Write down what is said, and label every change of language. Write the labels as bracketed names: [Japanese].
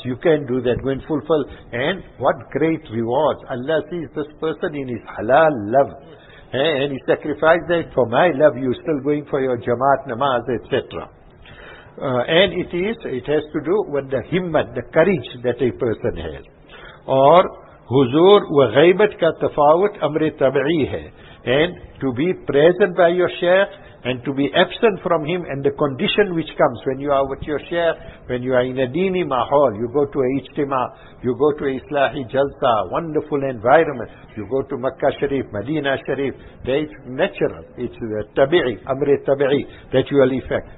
[English] You can do that, go and fulfill. And what great rewards. Allah sees this person in his halal love. And he sacrificed that for my love, you're still going for your jamaat namaz, etc. And it has to do with the himmat, the courage that a person has. [Urdu] اور حضور و غیبت کا تفاوت امر طبعی ہے. [English] And to be present by your sheikh and to be absent from him, and the condition which comes when you are with your sheikh, when you are in a dini mahal, you go to a ijtima, you go to a islahi jalsa, wonderful environment, you go to Makkah Sharif, Medina Sharif, there it's natural, it's tabi'i, amr tabi'i, that you will affect.